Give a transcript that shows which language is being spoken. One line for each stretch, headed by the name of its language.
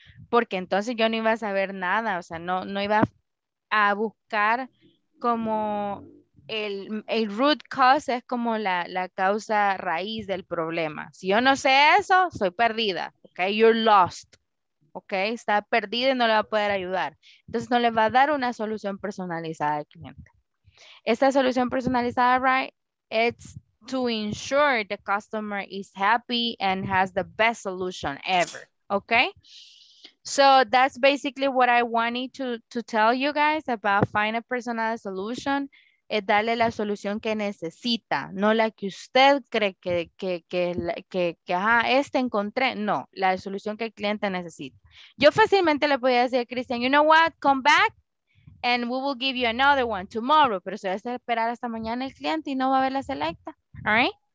Spanish: Porque entonces yo no iba a saber nada, o sea, no iba a buscar como el root cause, es como la causa raíz del problema. Si yo no sé eso, soy perdida, ok?
English: You're lost, ok?
Spanish: Está perdida y no le va a poder ayudar. Entonces no le va a dar una solución personalizada al cliente. Esta solución personalizada, right?
English: It's to ensure the customer is happy and has the best solution ever, ok? So that's basically what I wanted to tell you guys about find a personal solution.
Spanish: Es darle la solución que necesita, no la que usted cree que encontré. No, la solución que el cliente necesita. Yo fácilmente le podría decir a Cristian,
English: you know what, come back and we will give you another one tomorrow.
Spanish: Pero se va a esperar hasta mañana el cliente y no va a ver la selecta. All right?